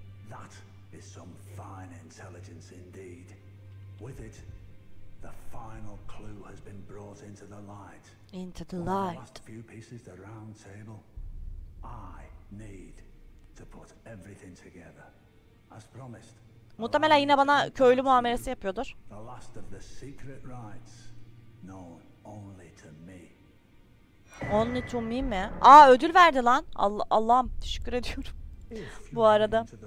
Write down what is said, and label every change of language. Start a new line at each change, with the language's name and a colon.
English: That is some fine intelligence indeed. With it, the final clue has been brought into the light. Into the light. The last few pieces of the round table, I need to put everything together. As promised.
Turkish: Muhtemelen yine bana köylü muamelesi yapıyordur.
English: The last of the secret rites, known only to me. Only to me
Turkish: mi? Aa, ödül verdi lan. Allah'ım, teşekkür ediyorum. Bu arada.